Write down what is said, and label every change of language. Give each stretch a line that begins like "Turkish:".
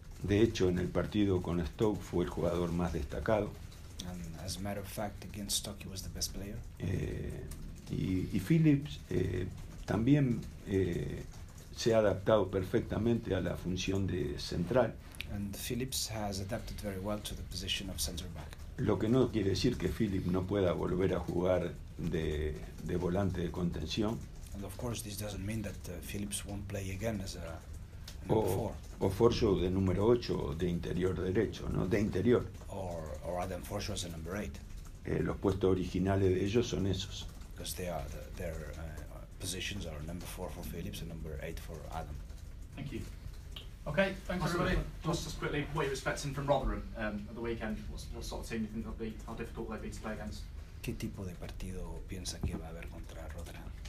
Spanish: De hecho, en el partido con Stoke fue el jugador más destacado.
English: And as a matter of fact, against Stoke he was the best player.
Spanish: Y Phillips también. Se ha adaptado perfectamente a la función de central.
English: And Phillips has adapted very well to the position of center back.
Spanish: Lo que no quiere decir que Phillips no pueda volver a jugar de volante de contención.
English: And of course this doesn't mean that Phillips won't play again as a
Spanish: O Forcho de número 8 de interior derecho, ¿no? De interior.
English: Or Adam Forcho as a number 8.
Spanish: Los puestos originales de ellos son esos.
English: Because they are their positions are number 4 for Phillips and number 8 for Adam. Thank you. Okay, thanks everybody. Just quickly, what are you expecting from Rotherham at the weekend? What sort of team do you think they'll be? How difficult will they be to play against?
Spanish: ¿Qué tipo de partido piensa que va a haber contra Rotherham?